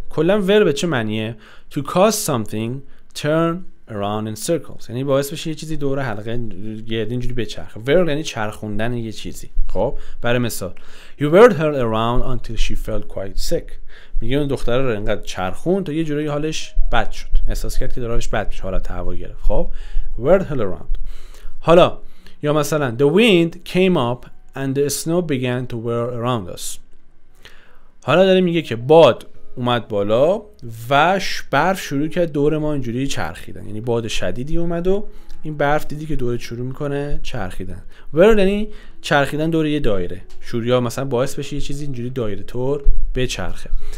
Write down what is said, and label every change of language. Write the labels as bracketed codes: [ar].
[fa] کلا whirl به چه معنیه؟ [en] to cause something turn around in circles, [fa] یعنی باعث بشه یه چیزی دور حلقه گرد اینجوری بچرخه. whirl یعنی چرخوندن یه چیزی. خب برای مثال [en] you whirled her around until she felt quite sick. [fa] میگه اون دختره رو انقدر چرخوند تا یه جوری حالش بد شد, احساس کرد که داره حالش بد میشه, حالت هوا گرفت. [en] خب whirled her around. [fa] حالا یا مثلا [en] the wind came up and the snow began to whirl around us. [fa] حالا داره میگه که باد اومد بالا و برف شروع کرد دور ما اینجوری چرخیدن, یعنی باد شدیدی اومد و این برف دیدی که دور شروع میکنه چرخیدن. whirl یعنی چرخیدن دور یه دایره, شوریا مثلا باعث بشه یه چیزی اینجوری دایره طور بچرخه.